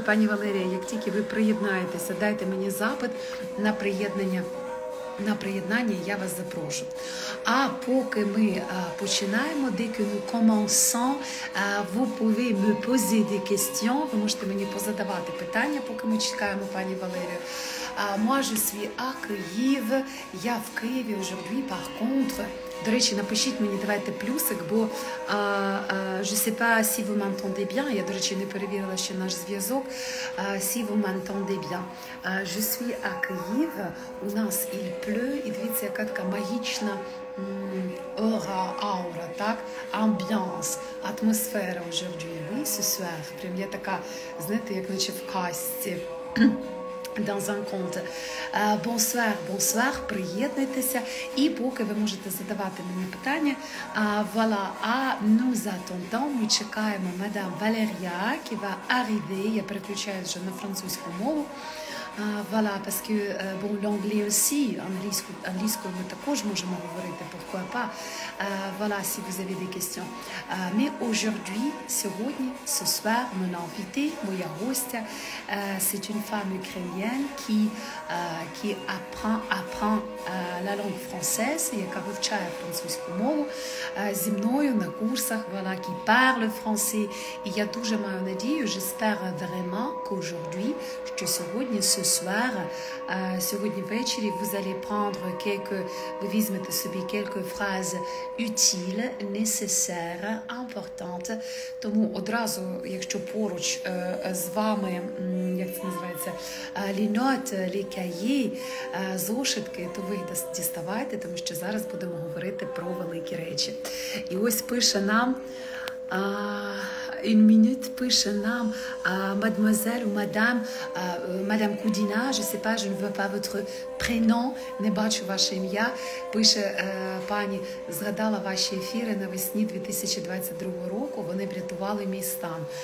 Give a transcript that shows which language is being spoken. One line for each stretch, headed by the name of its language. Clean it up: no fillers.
Ukrainian: Пані Валерія, як тільки ви приєднаєтеся, дайте мені запит на приєднання. На приєднання я вас запрошу. А поки ми починаємо,
French: dès nous commençons, vous pouvez me poser des questions.
Ukrainian: Ви можете мені позадавати питання, поки ми чекаємо пані Валерію.
French: Moi je suis à Kyiv.
Ukrainian: Я в Києві
French: aujourd'hui, par contre.
Ukrainian: До речі, напишіть мені, давайте плюсик, бо
French: je sais pas si vous m'entendez bien.
Ukrainian: Я, до речі, не перевірила ще наш зв'язок.
French: Si vous m'entendez bien. Je suis à Kyiv.
Ukrainian: У нас
French: il pleut.
Ukrainian: І дивіться, яка така магічна аура, так? Амбіанс, атмосфера
French: aujourd'hui. Oui, ce soir.
Ukrainian: Прям я така, знаєте, як наче в касті.
French: Dans un compte. Bonsoir, bonsoir,
Ukrainian: приєднуйтеся. І поки ви можете задавати мені питання,
French: voilà, а nous attendons,
Ukrainian: ми чекаємо мадам Валерія,
French: qui va arriver,
Ukrainian: я переключаю вже на французьку мову.
French: Voilà, parce que, bon, l'anglais aussi,
Ukrainian: англійською ми також можемо говорити,
French: pourquoi pas. Voilà, si vous avez des questions. Mais aujourd'hui,
Ukrainian: сьогодні,
French: ce soir, mon invité,
Ukrainian: моя гостя,
French: c'est une femme ukrainienne qui apprend la langue française,
Ukrainian: яка вивчає французьку мову, зі мною на курсах,
French: voilà, qui parle français.
Ukrainian: І я дуже маю надію,
French: j'espère vraiment qu'aujourd'hui,
Ukrainian: що сьогодні,
French: ce soir,
Ukrainian: сьогодні ввечері
French: vous allez prendre quelques,
Ukrainian: ви візьмете собі
French: quelques phrases utiles, nécessaires, importantes.
Ukrainian: Тому одразу, якщо поруч з вами, як це називається,
French: les notes, les cahiers,
Ukrainian: зошитки, то ви діставайте, тому що зараз будемо говорити про великі речі. І ось пише нам
French: Une minute, puis-je nom, mademoiselle ou madame, madame Koudina, je ne sais pas, je ne veux pas votre prénom,
Ukrainian: не бачу ваше ім'я. Пише, пані, згадала ваші ефіри навесні 2022 року, вони врятували мій стан.